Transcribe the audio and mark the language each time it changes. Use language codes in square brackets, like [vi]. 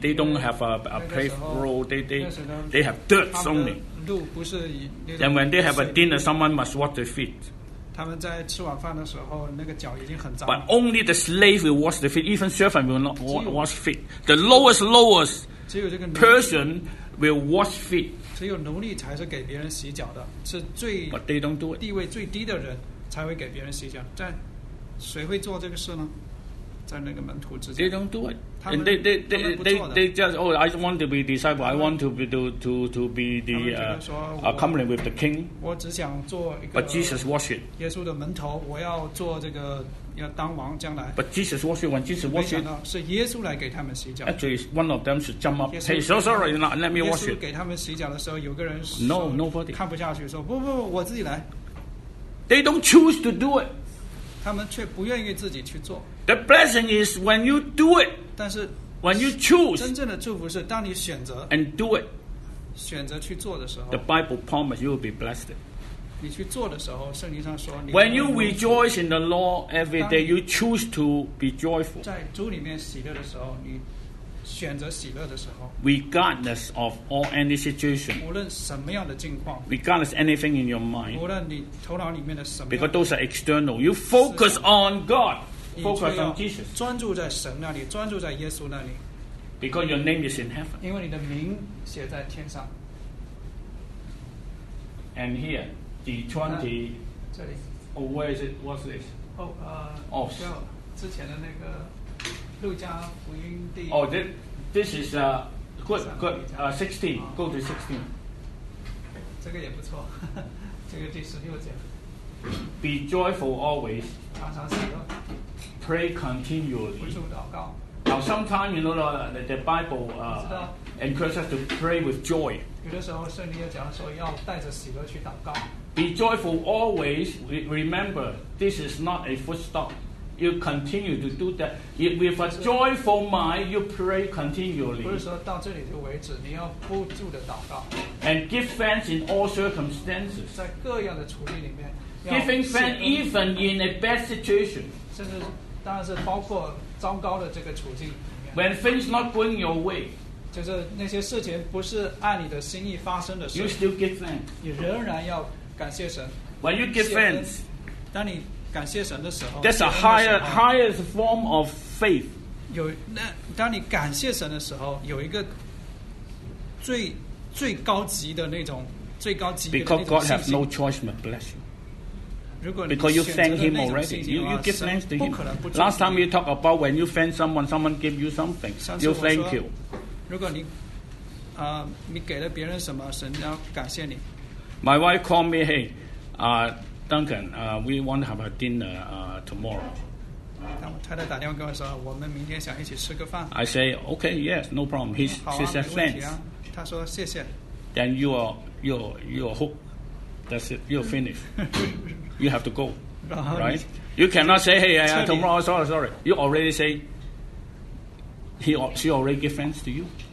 [en] They don't have a paved road. They have dirt only. And when they have a dinner, someone must wash their feet. [zh] 他们在吃晚饭的时候，那个脚已经很脏。 [en] But only the slave will wash the feet. Even servant will not wash feet. The lowest person will wash feet. [zh] 只有奴隶才是给别人洗脚的，是最 [en] But they don't do it. [zh] 地位最低的人才会给别人洗脚。在谁会做这个事呢？在那个门徒之间。 [en] They don't do it. They just I want to be disciple. I want to be to be the accompany with the king. [zh] 我只想做一个。 [en] But Jesus washed. [zh] 耶稣的门徒，我要做这个，要当王将来。 [en] But Jesus washed. When Jesus washed, [zh] 是耶稣来给他们洗脚。 [en] Actually, one of them should jump up. Hey, so sorry, not let me wash it. [zh] 耶稣给他们洗脚的时候，有个人说 [en] No, nobody. [zh] 看不下去，说不，我自己来。 [en] They don't choose to do it. [zh] 他们却不愿意自己去做。 [en] The blessing is when you do it. [zh] 但是 [en] when you choose, [zh] 真正的祝福是当你选择 [en] and do it, [zh] 选择去做的时候 [en] the Bible promises you will be blessed. [zh] 你去做的时候，圣经上说你 [en] when you rejoice in the Lord every day, you choose to be joyful. [zh] 在主里面喜乐的时候，你选择喜乐的时候 [en] regardless of all any situation, [zh] 无论什么样的境况 [en] regardless anything in your mind, [zh] 无论你头脑里面的什么 [en] because those are external, you focus on God. [zh] 专注在神那里，专注在耶稣那里。 [en] Because your name is in heaven. [zh] 因为你的名写在天上。 [en] And here, the 20. [zh] 这里。 [en] Oh, where is it? What's this? [zh] Oh, 之前的那个路加福音第。 [en] Oh, this is good. 16. Go to 16. [zh] 这个也不错，这个第十六节。 [en] Be joyful always. [zh] 常常喜乐。 [en] Pray continually. Now, sometimes you know the Bible encourages us to pray with joy. [zh] 有的时候圣经又讲说要带着喜乐去祷告。 [en] Be joyful always. Remember, this is not a full stop. You continue to do that. With a joyful mind, you pray continually. [zh] 不是说到这里就为止，你要不住的祷告。 [en] And give thanks in all circumstances. [zh] 在各样的处境里面。 [en] Giving thanks even in a bad situation. [zh] 甚至当然是包括糟糕的这个处境里面。 [en] When things not going your way, [zh] 就是那些事情不是按你的心意发生的时候 [en] ，you still give thanks. [zh] 你仍然要感谢神。 [en] When you give thanks, [zh] 当你感谢神的时候 [en] ，that's a highest form of faith. [zh] 有那当你感谢神的时候，有一个最高级的那种最高级的那种信心。 [en] Because God has no choice but bless you. Because you thank him already. You give thanks to him. Last time you talk about when you thank someone, someone give you something. You thank you. [zh] 如果你，你给了别人什么，神要感谢你。 [en] My wife called me, hey, Duncan, we want to have a dinner tomorrow. [zh] 当我太太打电话跟我说，我们明天想一起吃个饭。 [en] I say, okay, yes, no problem. She said, thanks. [zh] 她说谢谢。 [en] Then you are hooked. That's it. You're finished. You have to go, right? You cannot say, hey, yeah, tomorrow, sorry. You already say, she already gave thanks to you.